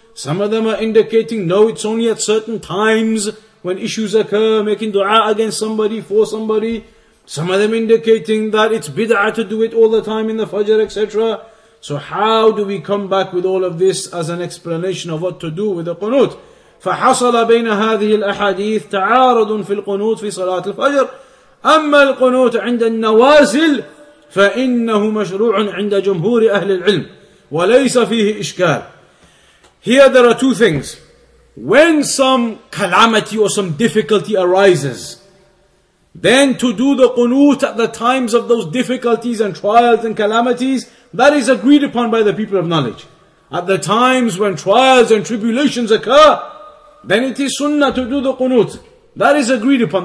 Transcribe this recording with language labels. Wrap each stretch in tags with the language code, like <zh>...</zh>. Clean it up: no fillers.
<en>Some of them are indicating, no, it's only at certain times when issues occur, making dua against somebody, for somebody. Some of them indicating that it's bid'ah to do it all the time in the Fajr, etc. So how do we come back with all of this as an explanation of what to do with the qunut?</en> <ar>فحصل بين هذه الأحاديث تعارض في القنوت في صلاة الفجر أما القنوت عند النوازل فإنه مشروع عند جمهور أهل العلم وليس فيه إشكال.</ar> <en>Here there are two things. When some calamity or some difficulty arises, then to do the qunut at the times of those difficulties and trials and calamities, that is agreed upon by the people of knowledge. At the times when trials and tribulations occur, then it is sunnah to do the qunut. That is agreed upon.</en>